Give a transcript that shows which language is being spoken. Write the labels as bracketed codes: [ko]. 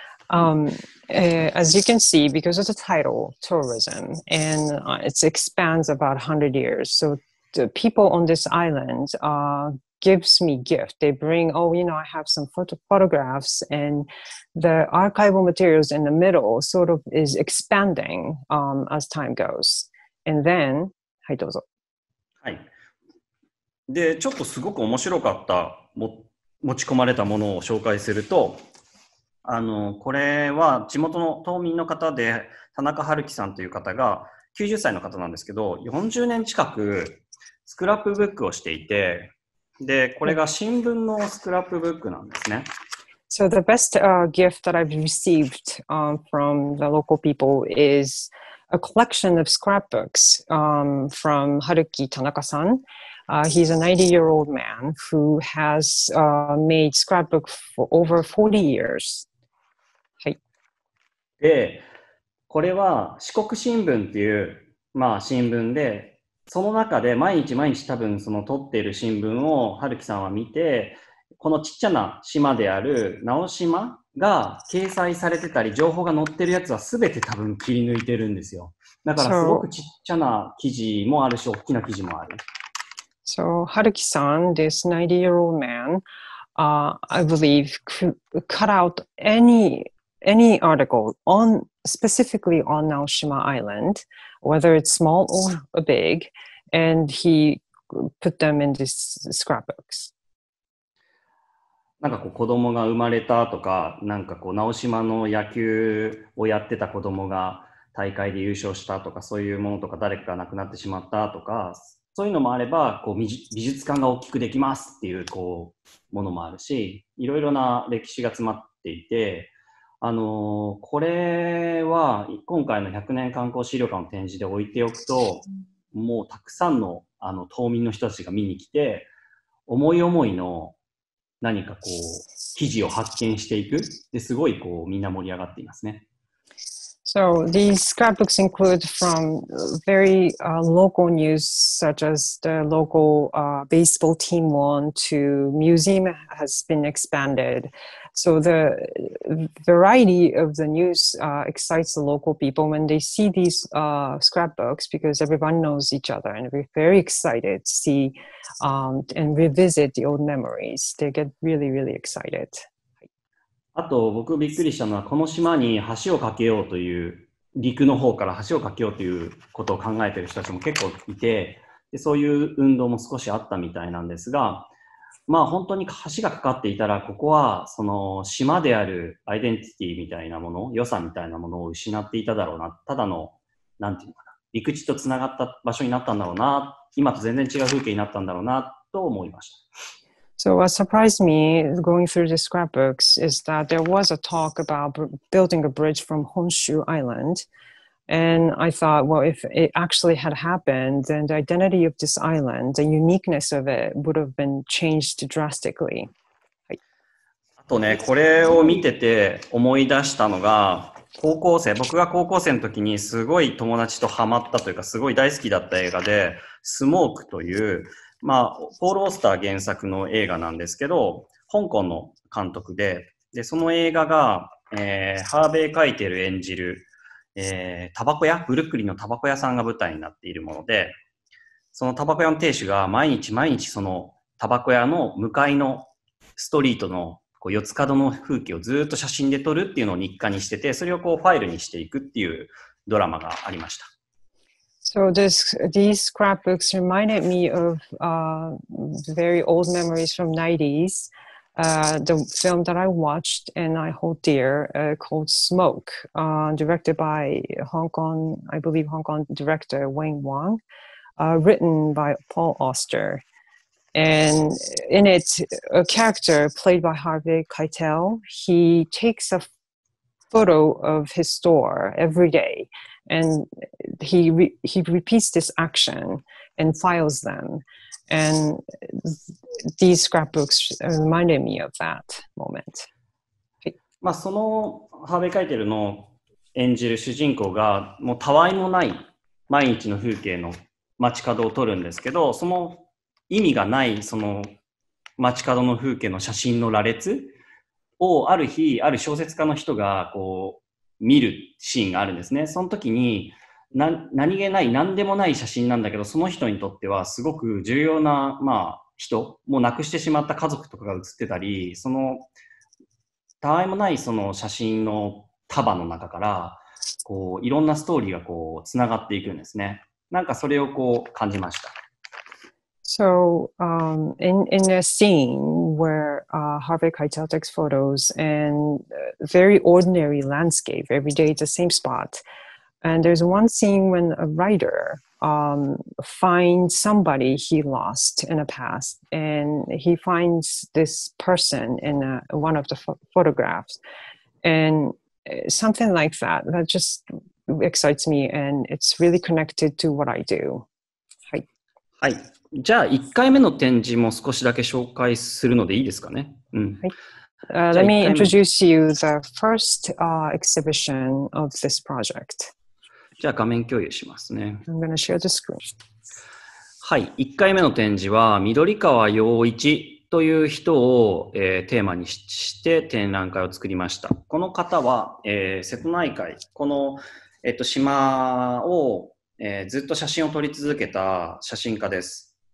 [en] As you can see, because of the title, tourism, and it expands about 100 years. So the people on this island gives me gift. They bring, oh, you know, I have some photographs, and the archival materials in the middle sort of is expanding as time goes. And then, [ja] はい、どうぞ。はい。で、ちょっとすごく面白かった持ち込まれたものを紹介すると、これは地元の島民の方で田中春樹さんという方が90歳の方なんですけど40年近くスクラップブックをしていてでこれが新聞のスクラップブックなんですね。 [en] So the best gift that I've received from the local people is a collection of scrapbooks from 春樹田中さん。 He's a 90-year-old man who has made scrapbook for over 40 years. [ja] で、これは四国新聞っていう、まあ、新聞で、その中で毎日毎日多分その撮っている新聞を春樹さんは見て、このちっちゃな島である直島が掲載されてたり、情報が載ってるやつは全て多分切り抜いてるんですよ。だからすごくちっちゃな記事もあるし、大きな記事もある。 [en] So, 春樹さん、this 90-year-old man, I believe, cut out any article on specifically on Naoshima Island, whether it's small or big, and he put them in these scrapbooks. [ja] なんかこう子供が生まれたとか、なんかこう直島の野球をやってた子供が大会で優勝したとか、そういうものとか、誰かが亡くなってしまったとか、そういうのもあれば、こう美術館が大きくできますっていう、こうものもあるし、いろいろな歴史が詰まっていて、これは今回の100年観光資料館の展示で置いておくと、もうたくさん の, 島民の人たちが見に来て、思い思いの何かこう記事を発見していく。ですごいこうみんな盛り上がっていますね。 [en] So these scrapbooks include from very local news such as the local baseball team won to museum has been expanded. So the variety of the news excites the local people when they see these scrapbooks because everyone knows each other and we're very excited to see and revisit the old memories. They get really, really excited. [ja] あと僕びっくりしたのはこの島に橋を架けようという陸の方から橋を架けようということを考えている人たちも結構いてでそういう運動も少しあったみたいなんですがまあ本当に橋がかかっていたらここはその島であるアイデンティティみたいなもの良さみたいなものを失っていただろうなただのなんていうのかな陸地とつながった場所になったんだろうな今と全然違う風景になったんだろうなと思いました。 [en] So what surprised me going through the scrapbooks is that there was a talk about building a bridge from Honshu Island. And I thought, well, if it actually had happened, then the identity of this island, the uniqueness of it would have been changed drastically. [ja] あとね、これを見てて思い出したのが、高校生、僕が高校生の時にすごい友達とハマったというか、すごい大好きだった映画で、スモークという、まあ、ポール・オースター原作の映画なんですけど、香港の監督で、で、その映画が、ハーベイ・カイテル演じる、タバコ屋、ブルックリンのタバコ屋さんが舞台になっているもので、そのタバコ屋の店主が毎日毎日そのタバコ屋の向かいのストリートの四つ角の風景をずっと写真で撮るっていうのを日課にしてて、それをこうファイルにしていくっていうドラマがありました。 [en] So this, these scrapbooks reminded me of、very old memories from 90s,、the film that I watched and I hold dear、called Smoke,、directed by Hong Kong, I believe Hong Kong director Wayne Wong,、written by Paul Auster. And in it, a character played by Harvey Keitel, he takes a photo of his store every day, and he repeats this action and files them. And these scrapbooks reminded me of that moment. [ja] まあ、その Harvey Keitel の演じる主人公がもうたわいもない毎日の風景の街角を撮るんですけど、その意味がないその街角の風景の写真の羅列をある日ある小説家の人がこう見るシーンがあるんですね。その時に何気ない何でもない写真なんだけど、その人にとってはすごく重要な、まあ、人もう亡くしてしまった家族とかが写ってたり、そのたわいもないその写真の束の中からこういろんなストーリーがこうつながっていくんですね。なんかそれをこう感じました。 [en] So, in a scene where, Harvey Keitel takes photos and very ordinary landscape, every day it's the same spot. And there's one scene when a writer, finds somebody he lost in the past, and he finds this person in one of the photographs. And something like that, that just excites me, and it's really connected to what I do. Hi. Hi. [ja] じゃあ1回目の展示も少しだけ紹介するのでいいですかね。はい。 [en] Let me introduce you the first, exhibition of this project. [ja] じゃあ画面共有しますね。 [en] I'm gonna share the screen. [ja] はい。 1回目の展示は緑川洋一という人を、テーマにして展覧会を作りました。この方は、瀬戸内海、この、島を、ずっと写真を撮り続けた写真家です。